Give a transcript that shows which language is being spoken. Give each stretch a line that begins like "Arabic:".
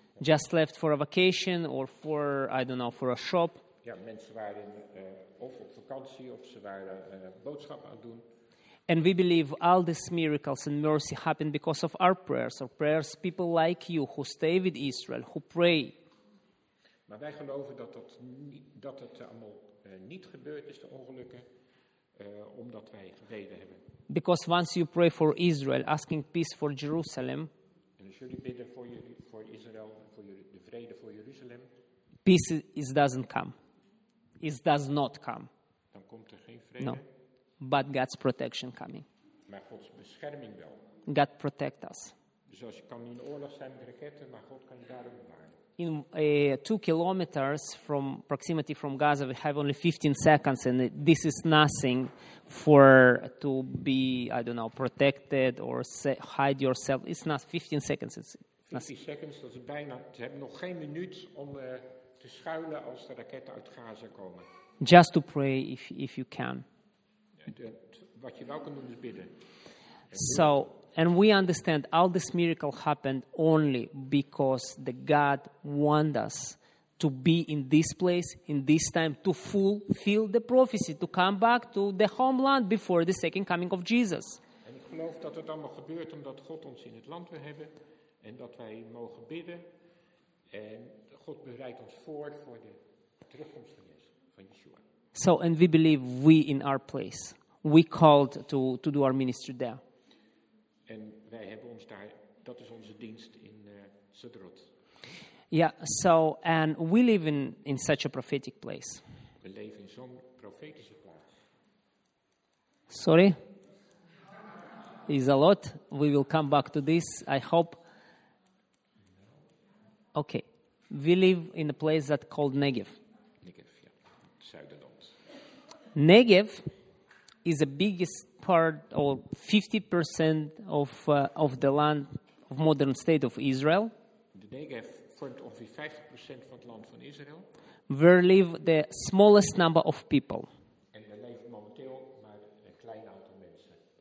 English: Just left for a vacation or for, I don't know, for a shop.
Dutch: Ja, mensen waren of op vakantie of ze waren boodschappen aan het doen.
English: And we believe all these miracles and mercy happen because of our prayers, or prayers people like you who stay with Israel, who pray.
Dutch: Maar wij geloven dat het allemaal niet gebeurd is, de ongelukken, omdat wij gebeden hebben.
English: Because once you pray for Israel, asking peace for Jerusalem.
Dutch: En als jullie bidden voor Israël, voor de vrede voor Jeruzalem.
English: Peace is doesn't come. It does not come.
Dutch: Dan komt er geen vrede.
English: No. But God's protection coming.
Dutch: Maar Gods bescherming wel.
English: God protect us.
Dutch: Dus als je kan in oorlog zijn met raketten, maar God kan je daarom bewaren.
English: In 2 kilometers from proximity from Gaza, we have only 15 seconds, and this is nothing for to be, I don't know, protected or hide yourself. It's not 15 seconds. It's 15 nothing. Seconds.
Dutch: Dat is bijna. Ze hebben nog geen minuut om te schuilen als de raketten uit Gaza komen.
English: Just to pray if you can.
Dutch: Wat je wel kan doen is bidden.
English: So, and we understand all this miracle happened only because the God wants us to be in this place, in this time, to fulfill the prophecy, to come back to the homeland before the second coming of Jesus.
Dutch: En ik geloof dat het allemaal gebeurt omdat God ons in het land wil hebben en dat wij mogen bidden. En God bereidt ons voor de terugkomst van Jezus, van Yeshua.
English: So, and we believe we in our place. We called to do our ministry there.
Dutch: En wij hebben ons daar, dat is onze dienst in Sderot.
English: Yeah, so, and we live in such a prophetic place.
Dutch: We leven in zo'n profetische plaats.
English: Sorry? Is a lot. We will come back to this, I hope. Okay. We live in a place that called Negev.
Dutch: Negev, yeah. Zuiderland.
English: Negev is the biggest part, or 50% of the land of modern state of Israel.
Dutch: De Negev vormt ongeveer 50% van het land van Israël.
English: Where live the smallest number of people.
Dutch: En er leeft momenteel maar een klein aantal mensen.